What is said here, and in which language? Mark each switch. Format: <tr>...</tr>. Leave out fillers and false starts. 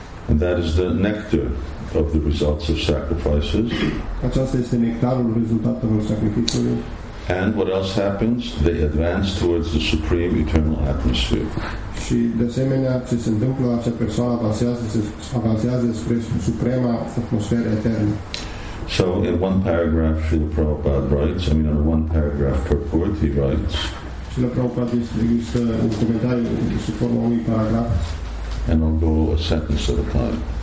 <en>And that is the nectar of the results of sacrifices.</en> <ro>Aceasta este nectarul rezultatelor sacrificiului.</ro> <en>And what else happens? They advance towards the supreme eternal atmosphere.</en> <ro>Și de asemenea, ce se întâmplă, acea persoană avansează spre suprema atmosferă eternă.</ro> <en>So in one paragraph, Srila Prabhupada writes, in one paragraph purport, he writes,</en> <ro>Srila Prabhupada există un comentariu sub forma unui paragraf.</ro> <en>And I'll go a sentence at a time.</en>